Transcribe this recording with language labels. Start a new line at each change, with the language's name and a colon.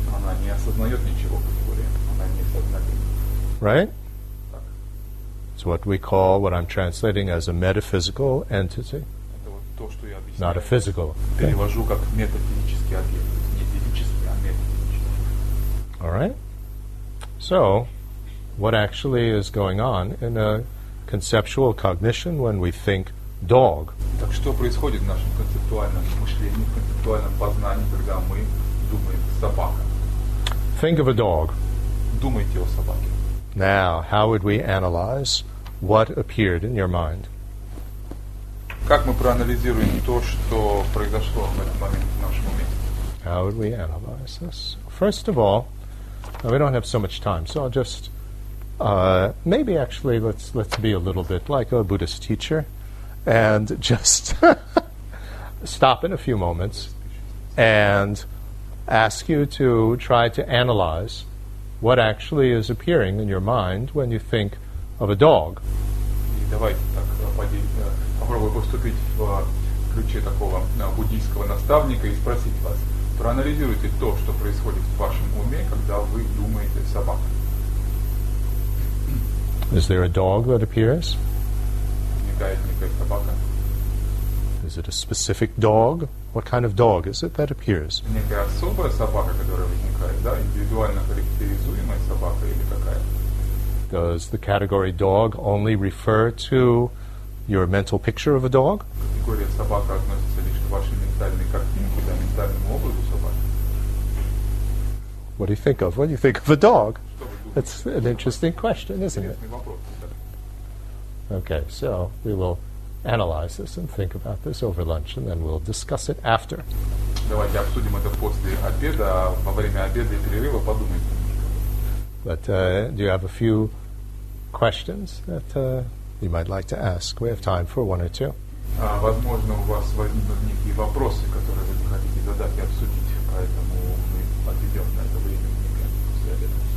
Russian: Она не осознает ничего, категория. Она не сознательна.
English: Right? It's what we call, what I'm translating as a metaphysical entity, not a physical.
Russian: Перевожу как метафизический объект, не физический, а метафизический. All right.
English: So, what actually is going on in a conceptual cognition when we think dog?
Russian: Так что происходит в нашем концептуальном мышлении, в концептуальном познании, когда мы думаем собака?
English: Think of a dog.
Russian: Думайте о собаке.
English: Now, how would we analyze what appeared in your mind?
Russian: Как мы проанализируем то, что произошло в этот момент в нашем уме?
English: How would we analyze this? First of all, we don't have so much time, so I'll just maybe actually let's be a little bit like a Buddhist teacher and just stop in a few moments and ask you to try to analyze what actually is appearing in your mind when you think of a dog.
Russian: Давайте так попробую поступить в ключе такого буддийского наставника и спросить вас, проанализируйте то, что происходит в вашем уме, когда вы думаете о собаке.
English: Is there a dog that appears?
Russian: Возникает некая собака.
English: Is it a specific dog? What kind of dog is it that appears?
Russian: Некая особая собака, которая возникает, да, индивидуально характеризуемая собака или какая?
English: Does the category dog only refer to your mental picture of a dog?
Russian: Категория собака относится лишь к вашей ментальной картинке, да, ментальному образу собаки.
English: What do you think of? What do you think of a dog? That's an interesting question, isn't it? Okay, so we will analyze this and think about this over lunch, and then we'll discuss it after.
Russian: Давайте обсудим это после обеда, во время обеда и перерыва подумайте.
English: But do you have a few questions that you might like to ask? We have time for one or two.
Russian: Возможно, у вас возникнут некие вопросы, которые вы хотите задать и обсудить, поэтому мы отведем на это время после обеда.